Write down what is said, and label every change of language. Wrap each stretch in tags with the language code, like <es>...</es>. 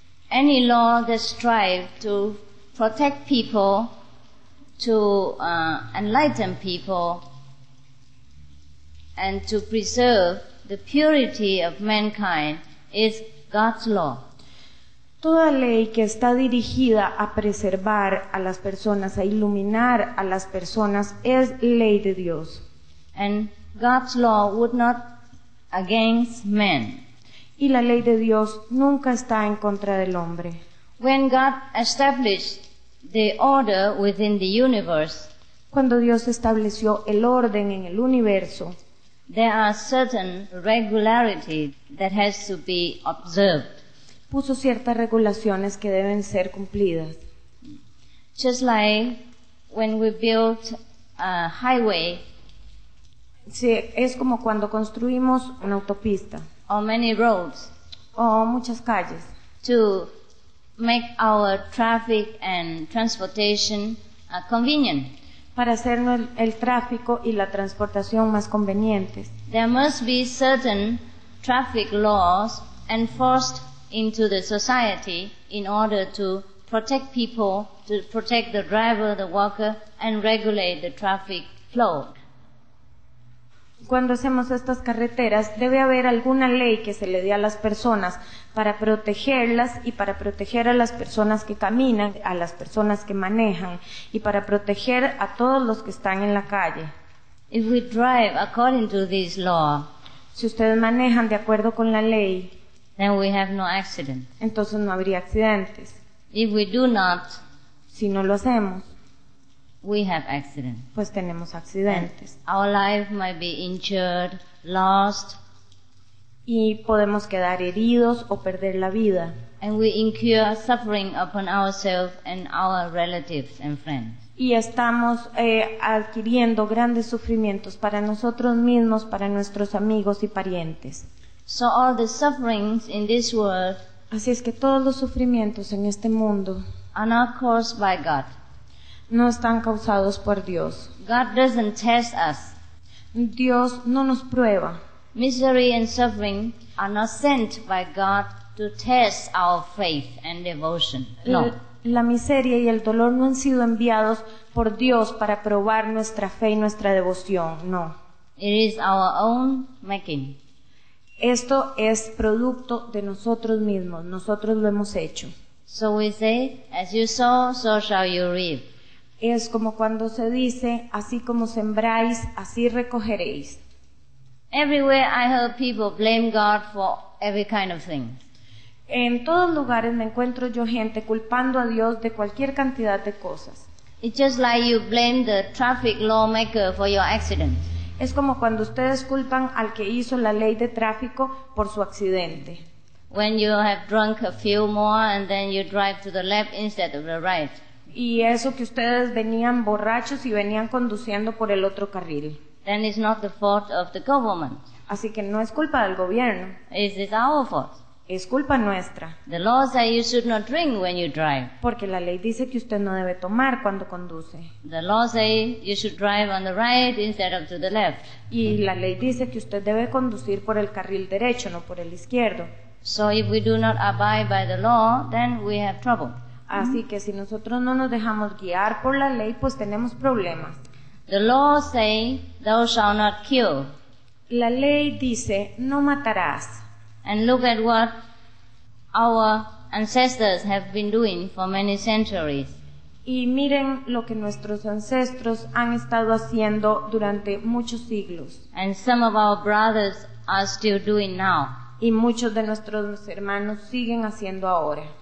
<en>Any law that strives to protect people, to enlighten people, and to preserve the purity of mankind is God's law.</en> <es>Toda ley que está dirigida a preservar a las personas, a iluminar a las personas, es ley de Dios.</es> <en>And God's law would not against man.</en> <es>Y la ley de Dios nunca está en contra del hombre.</es> <en>When God established the order within the universe,</en> <es>cuando Dios estableció el orden en el universo,</es> <en>there are certain regularities that has to be observed.</en> <es>Puso ciertas regulaciones que deben ser cumplidas.</es> <en>Just like when we build a highway.</en> <es>Sí, es como cuando construimos una autopista.</es> <en>Or many roads.</en> <es>O muchas calles.</es> <en>To make our traffic and transportation convenient.</en> <es>Para hacer el tráfico y la transportación más convenientes.</es> <en>There must be certain traffic laws enforced into the society in order to protect people, to protect the driver, the worker, and regulate the traffic flow.</en> <es>Cuando hacemos estas carreteras, debe haber alguna ley que se le dé a las personas para protegerlas y para proteger a las personas que caminan, a las personas que manejan y para proteger a todos los que están en la calle.</es> <en>If we drive according to this law,</en> <es>si ustedes manejan de acuerdo con la ley,</es> <en>then we have no accident.</en> <es>Entonces no habría accidentes.</es> <en>If we do not,</en> <es>si no lo hacemos,</es> <en>we have accidents.</en> <es>Pues tenemos accidentes.</es> <en>And our life might be injured, lost.</en> <es>Y podemos quedar heridos o perder la vida.</es> <en>And we incur suffering upon ourselves and our relatives and friends.</en> <es>Y estamos adquiriendo grandes sufrimientos para nosotros mismos, para nuestros amigos y parientes.</es> <en>So all the sufferings in this world.</en> <es>Así es que todos los sufrimientos en este mundo.</es> <en>Are not caused by God.</en> <es>No están causados por Dios.</es> <en>God doesn't test us.</en> <es>Dios no nos prueba.</es> <en>Misery and suffering are not sent by God to test our faith and devotion.</en> <es>No. La miseria y el dolor no han sido enviados por Dios para probar nuestra fe y nuestra devoción. No.</es> <en>It is our own making.</en> <es>Esto es producto de nosotros mismos. Nosotros lo hemos hecho.</es> <en>So we say, as you sow, so shall you reap.</en> <es>Es como cuando se dice, así como sembráis, así recogeréis.</es> <en>Everywhere I heard people blame God for every kind of thing.</en> <es>En todos lugares me encuentro yo gente culpando a Dios de cualquier cantidad de cosas.</es> <en>It's just like you blame the traffic lawmaker for your accident.</en> <es>Es como cuando ustedes culpan al que hizo la ley de tráfico por su accidente.</es> <en>When you have drunk a few more and then you drive to the left instead of the right.</en> <es>Y eso que ustedes venían borrachos y venían conduciendo por el otro carril.</es> <en>Then it's not the fault of the government.</en> <es>Así que no es culpa del gobierno.</es> <en>It is our fault.</en> <es>Es culpa nuestra.</es> <en>The law says you should not drink when you drive.</en> <es>Porque la ley dice que usted no debe tomar cuando conduce.</es> <en>The law says you should drive on the right instead of to the left.</en> <es>Y la ley dice que usted debe conducir por el carril derecho, no por el izquierdo.</es> <en>So if we do not abide by the law, then we have trouble.</en> <es>Así que si nosotros no nos dejamos guiar por la ley, pues tenemos problemas.</es> <en>The law say, thou shalt not kill.</en> <es>La ley dice, no matarás.</es> <en>And look at what our ancestors have been doing for many centuries.</en> <es>Y miren lo que nuestros ancestros han estado haciendo durante muchos siglos.</es> <en>And some of our brothers are still doing now.</en> <es>Y muchos de nuestros hermanos siguen haciendo ahora.</es>